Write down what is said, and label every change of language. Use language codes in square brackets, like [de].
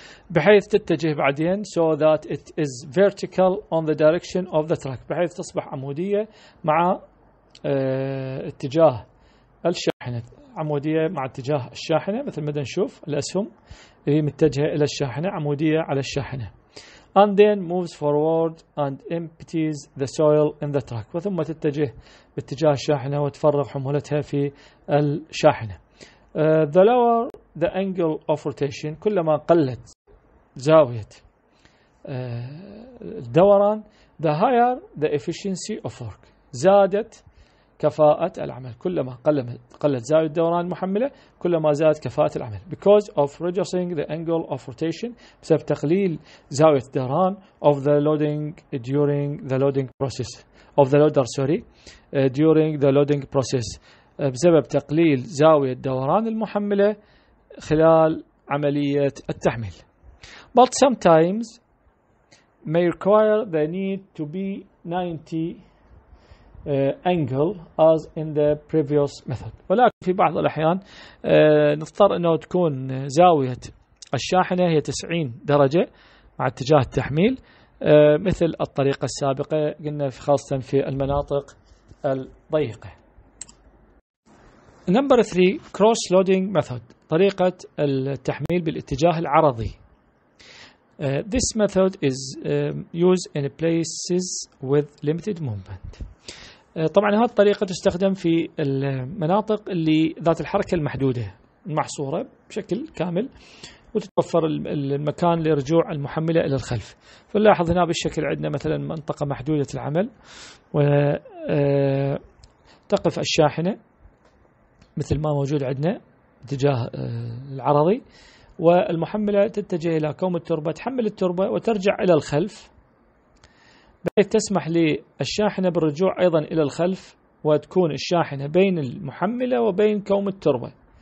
[ar] بحيث تتجه بعدين [en] so that it is vertical on the direction of the truck، [ar] بحيث تصبح عمودية مع اتجاه الشاحنة، عمودية مع اتجاه الشاحنة مثل ما نشوف الأسهم اللي متجهة إلى الشاحنة، عمودية على الشاحنة. [en] and then moves forward and empties the soil in the truck. [ar] وثم تتجه باتجاه الشاحنة وتفرغ حمولتها في الشاحنة. [en] The lower the angle of rotation, [ar] كلما قلت زاوية الدوران, [en] the higher the efficiency of work, [ar] زادت كفاءة العمل. كلما قلت زاوية الدوران المحملة كلما زادت كفاءة العمل. [en] Because of reducing the angle of rotation, [ar] بسبب تقليل زاوية الدوران. [en] Of the loading during the loading process, of the loader sorry, during the loading process, [ar] بسبب تقليل زاوية الدوران المحملة خلال عملية التحميل. [en] But sometimes may require the need to be 90 angle as in the previous method. [ar] ولكن في بعض الأحيان نضطر أنه تكون زاوية الشاحنة هي 90 درجة مع اتجاه التحميل, مثل الطريقة السابقة قلنا, خاصة في المناطق الضيقة. [en] Number 3, cross loading method, [ar] طريقة التحميل بالاتجاه العرضي. [en] This method is used in places with limited movement. [ar] طبعا هذه الطريقة تستخدم في المناطق اللي ذات الحركة المحدودة المحصورة بشكل كامل, وتتوفر المكان لرجوع المحملة إلى الخلف. فنلاحظ هنا بالشكل عندنا مثلا منطقة محدودة العمل, وتقف الشاحنة مثل ما موجود عندنا باتجاه العرضي, والمحملة تتجه إلى كوم التربة, تحمل التربة وترجع إلى الخلف, بحيث تسمح للشاحنة بالرجوع أيضا إلى الخلف, وتكون الشاحنة بين المحملة وبين كوم التربة.